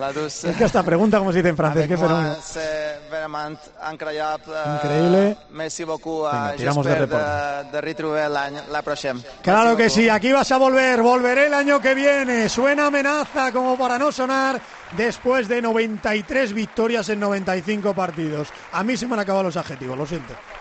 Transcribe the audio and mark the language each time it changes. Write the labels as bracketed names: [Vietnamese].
[Spanish] Es que hasta pregunta como se dice en francés, qué fenómeno. [French] C'est vraiment incroyable. [Spanish] Increíble. [French] Merci beaucoup. [Spanish] Venga, tiramos de reporte. [French] De retrouver la prochaine. [Spanish] Claro que sí, aquí vas a volver. Volveré el año que viene. Suena amenaza como para no sonar después de 93 victorias en 95 partidos. A mí se me han acabado los adjetivos, lo siento.